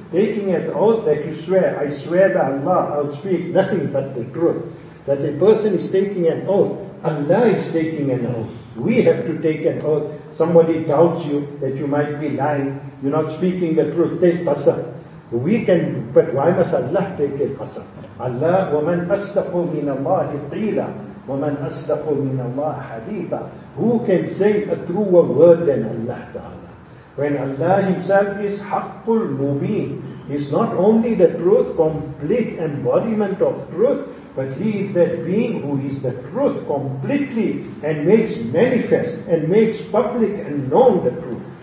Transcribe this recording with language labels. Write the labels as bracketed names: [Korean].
[English] Taking an oath that you swear, I swear by Allah, I'll speak nothing but the truth. That a person is taking an oath, Allah is taking an oath. We have to take an oath. Somebody doubts you that you might be lying, you're not speaking the truth, take qasam. We can, but why must Allah take a qasam? [Arabic] Allah, وَمَنْ أَصْدَقُ مِنَ اللَّهِ قِيلًا وَمَنْ أَصْدَقُ مِنَ اللَّهِ حَدِيثًا. [English] Who can say a truer word than Allah Ta'ala? When Allah Himself is [Arabic] حَقُّ الْمُبِينَ, [English] He's not only the truth, complete embodiment of truth, but He is that being who is the truth completely and makes manifest and makes public and known the truth.